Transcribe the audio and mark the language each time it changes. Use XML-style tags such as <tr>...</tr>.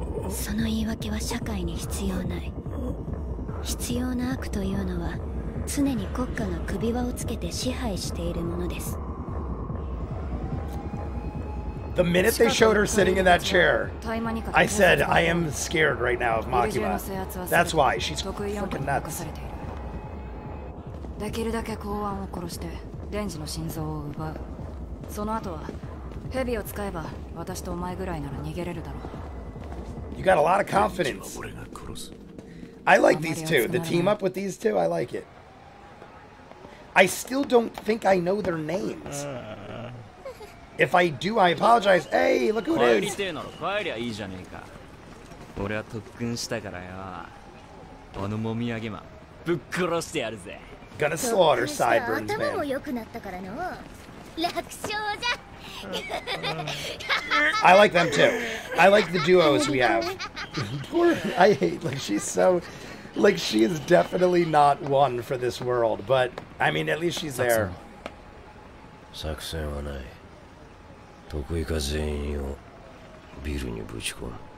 <ja>その言い訳は社会に必要ない。必要な悪というのは。</ja> <en>The minute they showed her sitting in that chair, I said, I am scared right now of Makima. That's why, she's fucking nuts.</en> <ja>できるだけ公安を殺してデンジの心臓を奪う。その後はヘビを使えば私とお前ぐらいなら逃げれるだろう。</ja> <en>You got a lot of confidence. I like these two. The team up with these two, I like it. I still don't think I know their names. If I do, I apologize. Hey, look who it is.</en> <ja>俺は特訓したからよ。このもみあげまぶっ殺してやるぜ。</ja> <en>Gonna slaughter Sideburns, man.</en> <ja>頭も良くなったからの。楽勝じゃ。</ja> <en>I like them too. I like the duos we have. Poor, I hate, like, she's so, like, she is definitely not one for this world, but I mean, at least she's there.</en> <ja>作戦はない。得意か全員をビルにぶち込む。</ja>